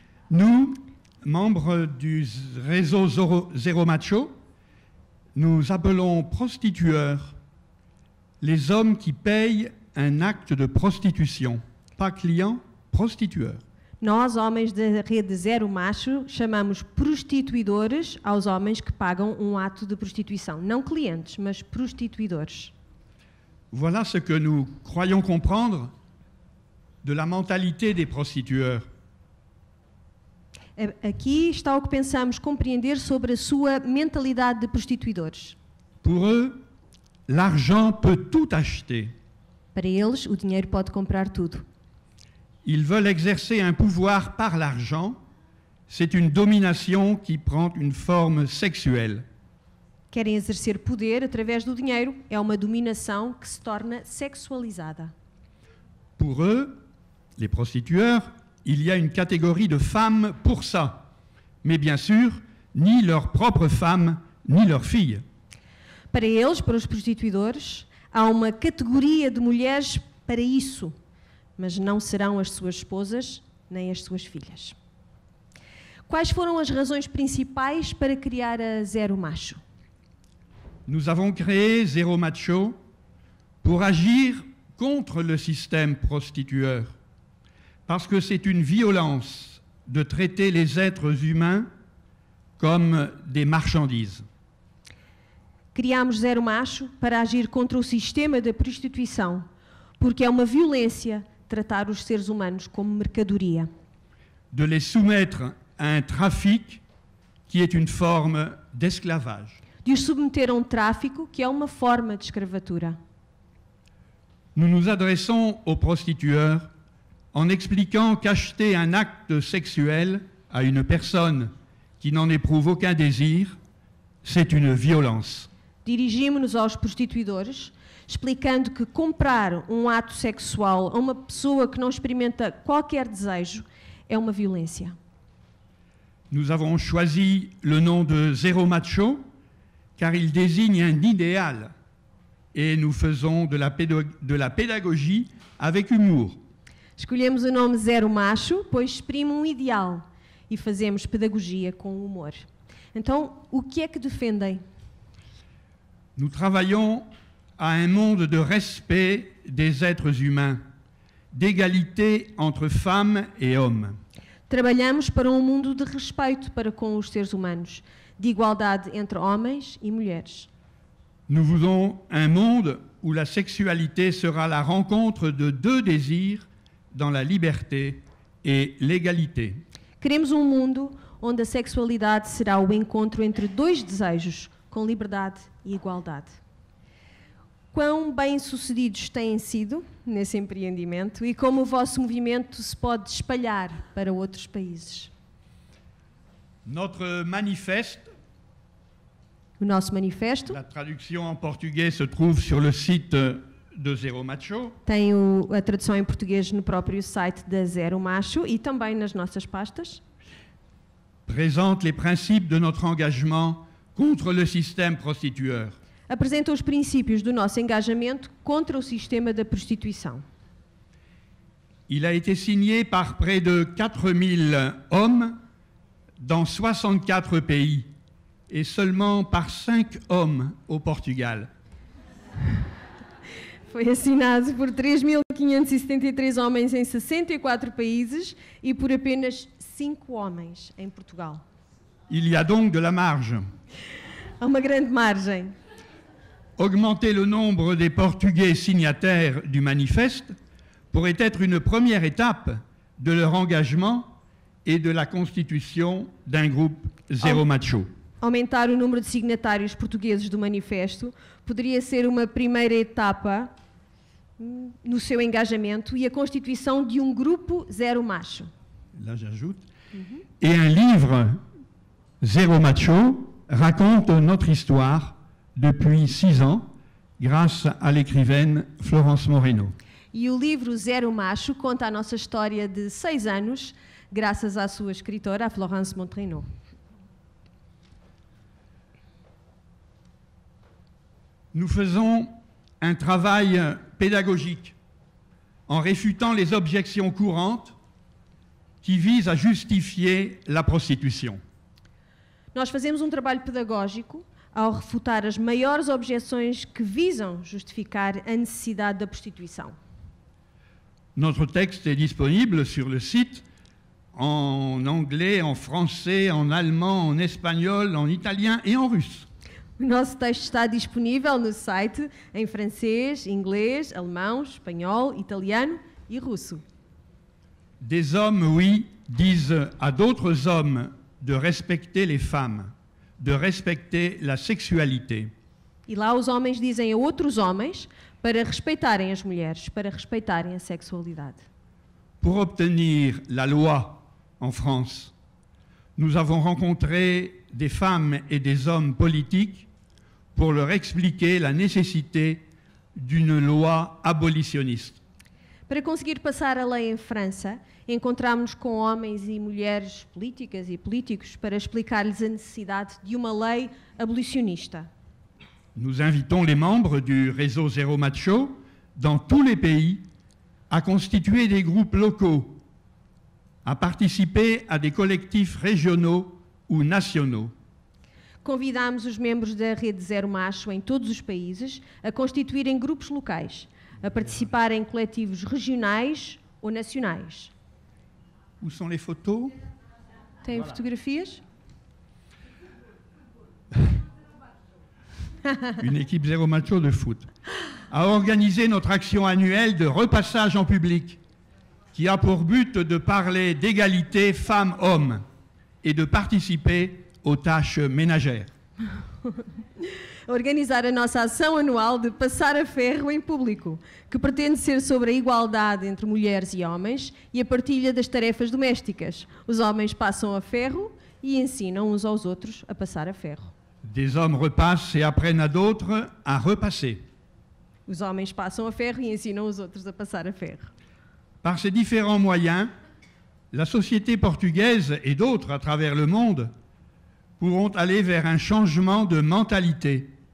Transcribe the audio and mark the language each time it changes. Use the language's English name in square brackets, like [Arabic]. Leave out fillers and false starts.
[French] Nous, membres du réseau Zéro Macho, nous appelons prostitueurs les hommes qui payent un acte de prostitution, pas clients, prostitueurs. [Portuguese] Nós, homens da rede Zero Macho, chamamos prostituidores aos homens que pagam um ato de prostituição. Não clientes, mas prostituidores. [French] Voilà ce que nous croyons comprendre de la mentalité des prostitueurs. [Portuguese] Aqui está o que pensamos compreender sobre a sua mentalidade de prostituidores. [French] Pour eux, l'argent peut tout acheter. [Portuguese] Para eles, o dinheiro pode comprar tudo. [French] Ils veulent exercer un pouvoir par l'argent. C'est une domination qui prend une forme sexuelle. [Portuguese] Querem exercer poder através do dinheiro. É uma dominação que se torna sexualizada. [French] Pour eux, les prostitueurs, il y a une catégorie de femmes pour ça. Mais bien sûr, ni leur propre femme, ni leur fille. [Portuguese] Para eles, para os prostituidores, há uma categoria de mulheres para isso. Mas não serão as suas esposas, nem as suas filhas. Quais foram as razões principais para criar a Zero Macho? [French] Nous avons créé Zero Macho pour agir contre le système prostitueur. Parce que c'est une violence de traiter les êtres humains comme des marchandises. [Portuguese] Criamos Zero Macho para agir contra o sistema da prostituição, porque é uma violência tratar os seres humanos como mercadoria. [French] De les soumettre à un trafic qui est une forme d'esclavage. [Portuguese] De os submeter a um tráfico que é uma forma de escravatura. [French] Nous nous adressons aux prostitueurs en expliquant qu'acheter un acte sexuel à une personne qui n'en éprouve aucun désir, c'est une violence. [Portuguese] Dirigimos-nos aos prostituidores explicando que comprar um ato sexual a uma pessoa que não experimenta qualquer desejo é uma violência. [French] Nous avons choisi le nom de Zéro Macho car il désigne un idéal et nous faisons de la pédagogie avec humour. [Portuguese] Escolhemos o nome Zéro Macho pois exprime um ideal e fazemos pedagogia com humor. Então, o que é que defendem? [French] Nous travaillons à un monde de respect des êtres humains, d'égalité entre femmes et hommes. [Portuguese] Trabalhamos para um mundo de respeito para com os seres humanos, de igualdade entre homens e mulheres. [French] Nous voulons un monde où la sexualité sera la rencontre de deux désirs dans la liberté et l'égalité. [Portuguese] Queremos um mundo onde a sexualidade será o encontro entre dois desejos, com liberdade e igualdade. Quão bem-sucedidos têm sido nesse empreendimento e como o vosso movimento se pode espalhar para outros países? [French] Notre manifeste [Portuguese] o nosso manifesto. [French] La [Spanish] traducción en portugués [French] se trouve sur le site de Zero Macho. [Portuguese] Tem a tradução em português no próprio site da Zero Macho e também nas nossas pastas. [French] Présente les principes de notre engagement contre le système prostitueur. [Portuguese] Apresenta os princípios do nosso engajamento contra o sistema da prostituição. [French] Il a été signé par près de 4000 hommes dans 64 pays et seulement par 5 hommes au Portugal. [Portuguese] Foi assinado por 3573 homens em 64 países e por apenas 5 homens em Portugal. [French] Il y a donc de la marge. [Portuguese] Há uma grande margem. [French] Augmenter le nombre des Portugais signataires du manifeste pourrait être une première étape de leur engagement et de la constitution d'un groupe Zero Macho. [Portuguese] Aumentar o número de signatários portugueses do manifesto poderia ser uma primeira etapa no seu engajamento e a constituição de um grupo Zero Macho. [French] Là, j'ajoute. Et un livre Zero Macho raconte notre histoire depuis 6 ans grâce à l'écrivaine Florence Moreno. [Portuguese] E o livro Zero Macho conta a nossa história de 6 anos graças à sua escritora, a Florence Moreno. [French] Nous faisons un travail pédagogique en réfutant les objections courantes qui visent à justifier la prostitution. [Portuguese] Nós fazemos um trabalho pedagógico ao refutar as maiores objeções que visam justificar a necessidade da prostituição. [French] Notre texte est disponible sur le site en anglais, en français, en allemand, en espagnol, en italien et en russe. [Portuguese] O nosso texto está disponível no site em francês, inglês, alemão, espanhol, italiano e russo. [French] Des hommes, oui, disent à d'autres hommes de respecter les femmes, de respecter la sexualité. [Portuguese] E lá os homens dizem a outros homens para respeitarem as mulheres, para respeitarem a sexualidade. [French] Pour obtenir la loi en France, nous avons rencontré des femmes et des hommes politiques pour leur expliquer la nécessité d'une loi abolitionniste. [Portuguese] Para conseguir passar a lei em França, encontramos com homens e mulheres políticas e políticos para explicar-lhes a necessidade de uma lei abolicionista. [French] Nous invitons les membres du réseau Zero Macho dans tous les pays à constituer des groupes locaux, à participer à des collectifs régionaux ou nationaux. [Portuguese] Convidamos os membros da rede Zero Macho em todos os países a constituírem grupos locais, a participar em coletivos regionais ou nacionais. [French] Où sont les photos? [Portuguese] Tem [French] voilà. [Portuguese] Fotografias? [French] Une équipe Zero Macho de foot a organisé notre action annuelle de repassage en public qui a pour but de parler d'égalité femmes-hommes et de participer aux tâches ménagères. [Portuguese] Organizar a nossa ação anual de passar a ferro em público, que pretende ser sobre a igualdade entre mulheres e homens e a partilha das tarefas domésticas. Os homens passam a ferro e ensinam uns aos outros a passar a ferro. [French] Des hommes repassent et apprennent à d'autres à repasser. [Portuguese] Os homens passam a ferro e ensinam os outros a passar a ferro. [French] Par ces différents moyens, la société portugaise et d'autres à travers le monde pourront aller vers un changement de mentalité.